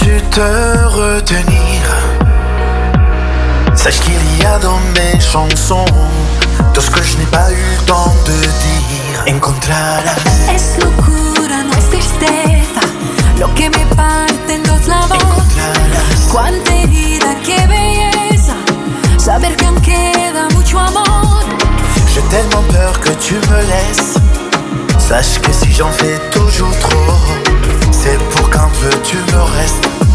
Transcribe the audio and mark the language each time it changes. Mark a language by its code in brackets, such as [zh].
[fr] Te retenir, sache qu'il y a dans mes chansons tout ce que je n'ai pas eu le temps de dire. [es] Encontrarás. Es locura, no es tristeza, lo que me parte en dos la voz. Encontrarás. Cuánta herida, qué belleza, saber que aún queda mucho amor. [fr] J'ai tellement peur que tu me laisses, sache que si j'en fais toujours trop, c'est pour qu'un peu tu me restes.